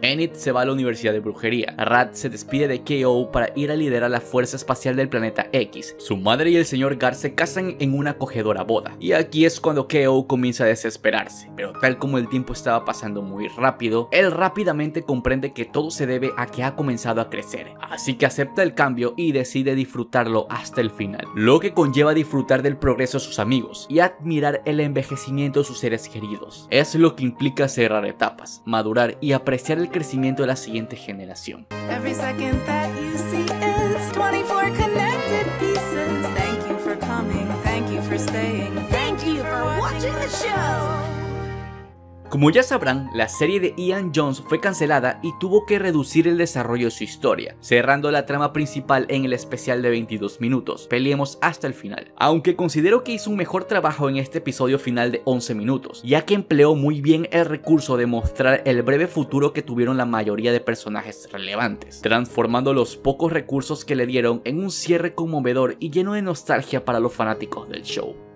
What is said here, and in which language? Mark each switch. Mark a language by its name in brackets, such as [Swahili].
[Spanish] Enid se va a la universidad de brujería, Rat se despide de Keo para ir a liderar la fuerza espacial del planeta X, su madre y el señor Gar se casan en una acogedora boda, y aquí es cuando Keo comienza a desesperarse, pero tal como el tiempo estaba pasando muy rápido, él rápidamente comprende que todo se debe a que ha comenzado a crecer, así que acepta el cambio y decide disfrutarlo hasta el final, lo que conlleva disfrutar del progreso de sus amigos y admirar el envejecimiento de sus seres queridos. Es lo que implica cerrar etapas, madurar y apreciar el crecimiento de la siguiente generación. [English] Every second that you see is 24 connected pieces. Thank you for coming, thank you for staying. Thank you for watching the show. [Spanish] Como ya sabrán, la serie de Ian Jones fue cancelada y tuvo que reducir el desarrollo de su historia, cerrando la trama principal en el especial de 22 minutos, Peleemos hasta el final. Aunque considero que hizo un mejor trabajo en este episodio final de 11 minutos, ya que empleó muy bien el recurso de mostrar el breve futuro que tuvieron la mayoría de personajes relevantes, transformando los pocos recursos que le dieron en un cierre conmovedor y lleno de nostalgia para los fanáticos del show.